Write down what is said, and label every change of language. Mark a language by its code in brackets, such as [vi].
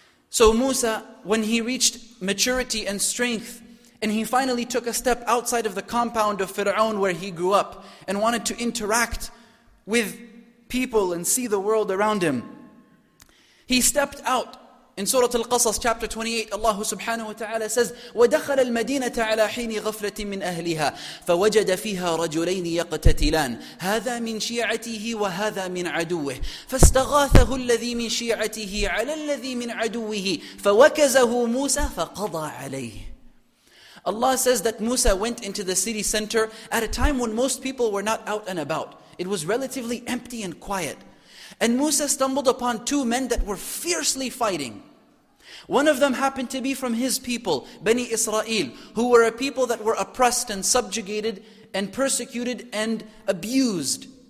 [en] So Musa, when he reached maturity and strength, and he finally took a step outside of the compound of Fir'aun where he grew up, and wanted to interact with people and see the world around him, he stepped out. In Surah Al-Qasas chapter 28, Allah subhanahu wa ta'ala says, [ar] وَدَخَلَ الْمَدِينَةَ عَلَىٰ حِينِ غَفْلَةٍ مِّنْ أَهْلِهَا فَوَجَدَ فِيهَا رَجُلَيْنِ يَقْتَتِلَانِ هَذَا مِنْ شِيَعَتِهِ وَهَذَا مِنْ عَدُوِّهِ فَاسْتَغَاثَهُ الَّذِي مِنْ شِيَعَتِهِ عَلَى الَّذِي مِنْ عَدُوِّهِ فَوَكَزَهُ مُوسَى فَقَضَى عَلَيْهِ. [en] Allah says that Musa went into the city center at a time when most people were not out and about. It was relatively empty and quiet. And Musa stumbled upon two men that were fiercely fighting. One of them happened to be from his people, Bani Israel, who were a people that were oppressed and subjugated and persecuted and abused.